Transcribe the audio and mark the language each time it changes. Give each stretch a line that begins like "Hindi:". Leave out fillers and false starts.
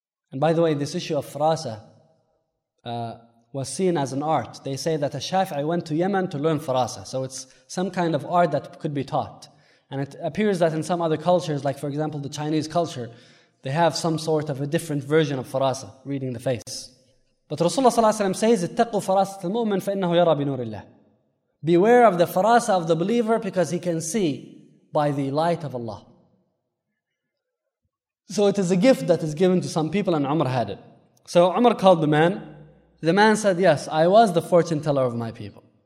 English: And by the way, this issue of farasa was seen as an art. They say that a Shafi'i went to Yemen to learn farasa. So it's some kind of art that could be taught. And it appears that in some other cultures, like for example the Chinese culture, they have some sort of a different version of farasa, reading the face. But Rasulullah ﷺ says,
Arabic: اتَّقُوا فَرَاسَةَ الْمُؤْمِنِ فَإِنَّهُ يَرَى بِنُورِ اللَّهِ.
English: Beware of the farasa of the believer because he can see by the light of Allah. So it is a gift that is given to some people, and Umar had it. So Umar called the man. The man said, yes, I was the fortune teller of my people.